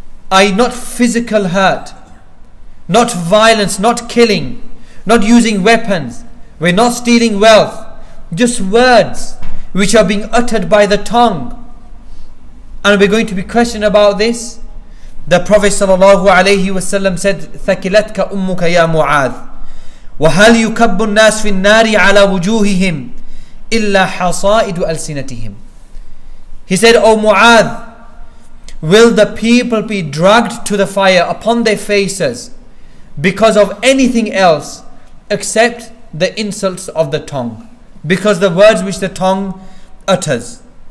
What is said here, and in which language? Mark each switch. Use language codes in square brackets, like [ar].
[en] I not physical hurt, not violence, not killing, not using weapons, we're not stealing wealth. Just words which are being uttered by the tongue. And we're going to be questioned about this. The Prophet sallallahu alayhi wasallam said, [ar] ثَكِلَتْكَ أُمُّكَ يَا مُعَاذ وَهَلْ يُكَبُّ النَّاسِ فِي النَّارِ عَلَى وُجُوهِهِمْ إِلَّا حَصَائِدُ أَلْسِنَتِهِمْ. [en] He said, O Mu'adh, will the people be dragged to the fire upon their faces because of anything else except the insults of the tongue, because the words which the tongue utters.